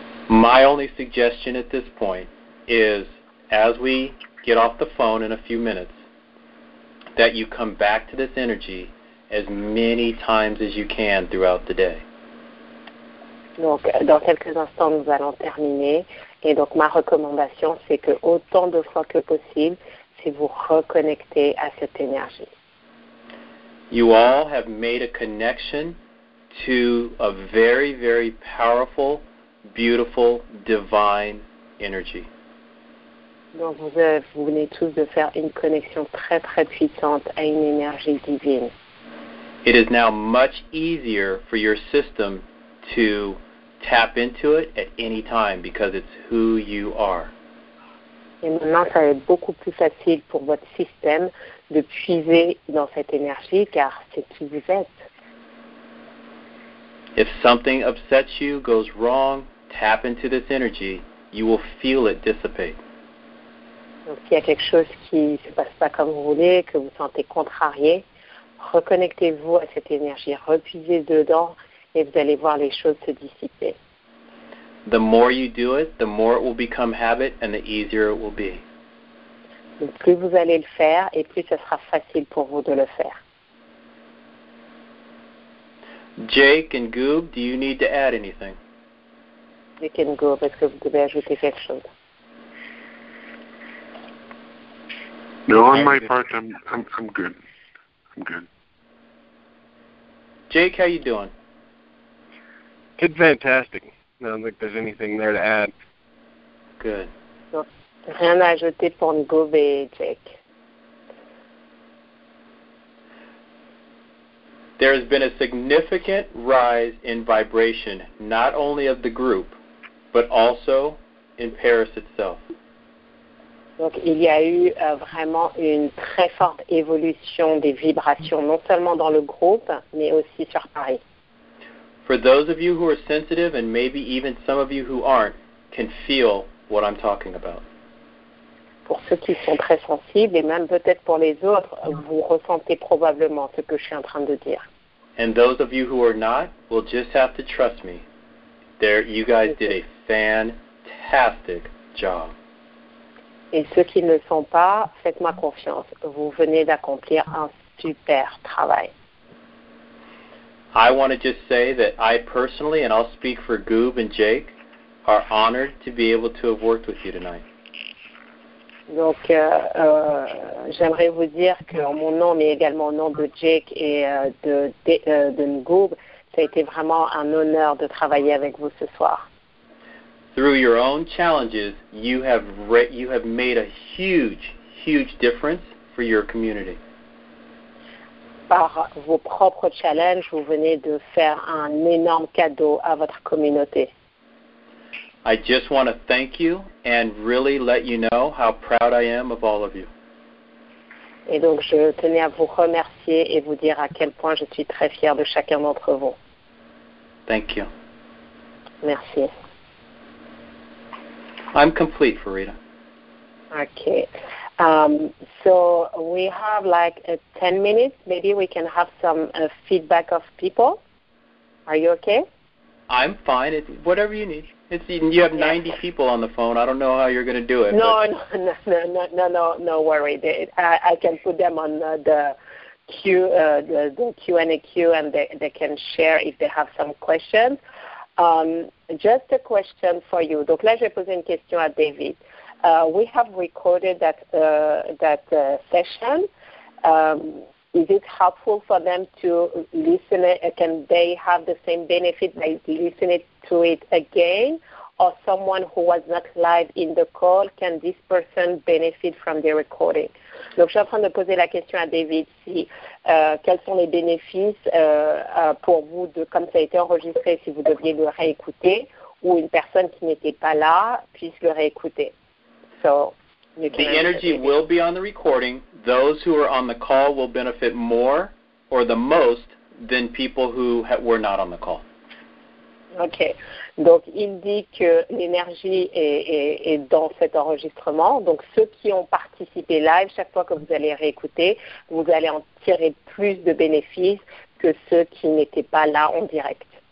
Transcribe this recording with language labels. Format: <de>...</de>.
<en>My only suggestion at this point is, as we get off the phone in a few minutes, that you come back to this energy as many times as you can throughout the day.</en> <fr>Donc, dans quelques instants, nous allons terminer. Et donc, ma recommandation, c'est que autant de fois que possible, c'est vous reconnecter à cette énergie.</fr> <en>You all have made a connection to a very, very powerful, beautiful, divine energy.</en> <fr>Donc, vous venez tous de faire une connexion très, très puissante à une énergie divine.</fr> <en>It is now much easier for your system to tap into it at any time because it's who you are.</en> <fr>Et maintenant, ça va être beaucoup plus facile pour votre système de puiser dans cette énergie car c'est qui vous êtes.</fr> <en>If something upsets you, goes wrong, tap into this energy, you will feel it dissipate.</en> <fr>Donc, s'il y a quelque chose qui ne se passe pas comme vous voulez, que vous sentez contrarié, reconnectez-vous à cette énergie, repuisez dedans et vous allez voir les choses se dissiper.</fr> <en>The more you do it, the more it will become habit and the easier it will be.</en> <fr>Donc, plus vous allez le faire et plus ce sera facile pour vous de le faire.</fr> <en>Jake and Goob, do you need to add anything?</en> <fr>Jake and Goob, est-ce que vous devez ajouter quelque chose?</fr> <en>No, on my part, I'm good. I'm good. Jake, how you doing? Good, fantastic. I don't think there's anything there to add. Good.</en> <fr>Rien à ajouter pour Goob et Jake.</fr> <en>There has been a significant rise in vibration, not only of the group, but also in Paris itself.</en> <fr>Donc, il y a eu vraiment une très forte évolution des vibrations, non seulement dans le groupe, mais aussi sur Paris.</fr> <en>For those of you who are sensitive, and maybe even some of you who aren't, can feel what I'm talking about.</en> <fr>Pour ceux qui sont très sensibles, et même peut-être pour les autres, vous ressentez probablement ce que je suis en train de dire.</fr> <en>And those of you who are not, will just have to trust me. There, you guys did a fantastic job.</en> <fr>Et ceux qui ne le sont pas, faites-moi confiance. Vous venez d'accomplir un super travail.</fr> <en>I want to just say that I personally, and I'll speak for Goob and Jake, are honored to be able to have worked with you tonight.</en> <fr>Donc, j'aimerais vous dire que en mon nom, mais également au nom de Jake et de Goob, ça a été vraiment un honneur de travailler avec vous ce soir.</fr> <en>Through your own challenges, you have made a huge, huge difference for your community.</en> <fr>Par vos propres challenges, vous venez de faire un énorme cadeau à votre communauté.</fr> <en>I just want to thank you and really let you know how proud I am of all of you.</en> <fr>Et donc, je tenais à vous remercier et vous dire à quel point je suis très fier de chacun d'entre vous.</fr> <en>Thank you.</en> <fr>Merci.</fr> <en>I'm complete, Farida. Okay. So we have like 10 minutes. Maybe we can have some feedback of people. Are you okay? I'm fine. It's whatever you need. You have 90 people on the phone. I don't know how you're going to do it. No worry. I can put them on the Q&A queue and they can share if they have some questions. Just a question for you.</en> <fr>Donc là, j'ai posé une question à David.</fr> <en>We have recorded that session. Is it helpful for them to listen it? Can they have the same benefit by listening to it again? or someone who was not live in the call, can this person benefit from the recording?</en> <fr>Donc, je suis en train de poser la question à David, si, quels sont les bénéfices pour vous, de, comme ça a été enregistré, si vous deviez le réécouter, ou une personne qui n'était pas là puisse le réécouter.</fr> <en>So, the energy will be on the recording. Those who are on the call will benefit more or the most than people who were not on the call. OK.</en> <fr>Donc, il dit que l'énergie est dans cet enregistrement. Donc, ceux qui ont participé live, chaque fois que vous allez réécouter, vous allez en tirer plus de bénéfices que ceux qui n'étaient pas là en direct.</fr>